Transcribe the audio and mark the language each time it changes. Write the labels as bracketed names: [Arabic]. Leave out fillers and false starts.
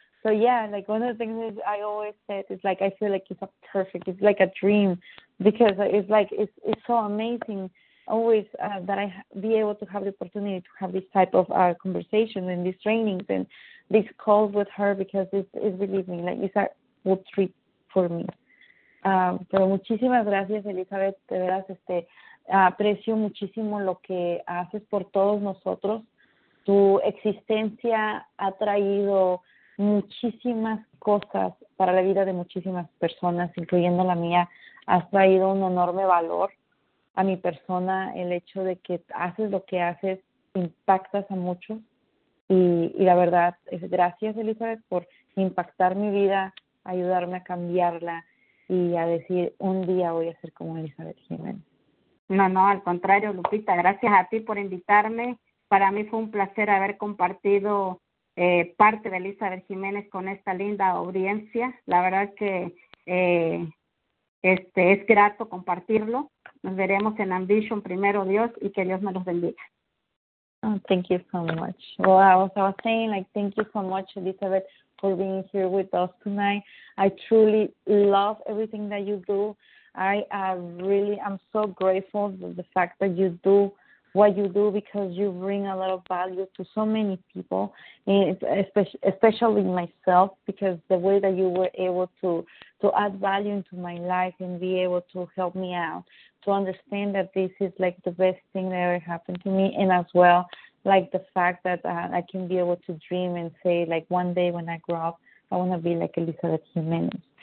[English] So yeah, one of the things is I always said is I feel like it's a perfect, it's like a dream, because it's so amazing always that I be able to have the opportunity to have this type of conversation and these trainings and these calls with her, because it's believe me, it's a good treat for me. [Spanish] Pero muchísimas gracias, Elizabeth, de veras aprecio muchísimo lo que haces por todos nosotros. Tu existencia ha traído muchísimas cosas para la vida de muchísimas personas, incluyendo la mía. Has traído un enorme valor a mi persona, el hecho de que haces lo que haces, impactas a muchos, y la verdad es gracias, Elizabeth, por impactar mi vida, ayudarme a cambiarla y a decir un día voy a ser como Elizabeth Jiménez. No, al contrario, Lupita, gracias a ti por invitarme. Para mí fue un placer haber compartido parte de Elizabeth Jiménez con esta linda audiencia. La verdad que es grato compartirlo. Nos veremos en Ambition, primero Dios, y que Dios me los bendiga. [English] Oh, thank you so much. Well, as I was saying, thank you so much, Elizabeth, for being here with us tonight. I truly love everything that you do. I'm so grateful for the fact that you do what you do, because you bring a lot of value to so many people, especially myself, because the way that you were able to add value into my life and be able to help me out, to understand that this is the best thing that ever happened to me, and as well, the fact that I can be able to dream and say, one day when I grow up, I want to be like Elizabeth Jiménez.